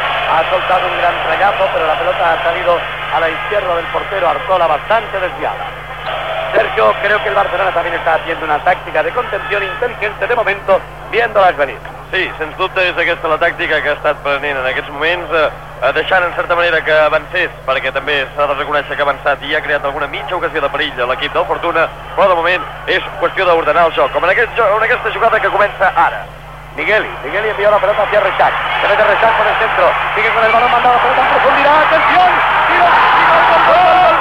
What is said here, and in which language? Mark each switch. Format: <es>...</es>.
<es>Ha soltado un gran trayazo, pero la pelota ha salido a la izquierda del portero Artola, bastante desviada. Sergio, creo que el Barcelona también está haciendo una táctica de contención inteligente de momento, viéndolas venir.</es> <ca>Sí, sens dubte és aquesta la tàctica que ha estat prenent en aquests moments, deixant en certa manera que avancés, perquè també s'ha de reconèixer que ha avançat i ha creat alguna mitja ocasió de perill a l'equip del Fortuna, però de moment és qüestió d'ordenar el joc, com en, aquesta jugada que comença ara.</ca> <es>Migueli envió la pelota hacia Rechac, se mete Rechac por el centro, sigue con el balón, manda la pelota en profundidad, atención, tiro,</es>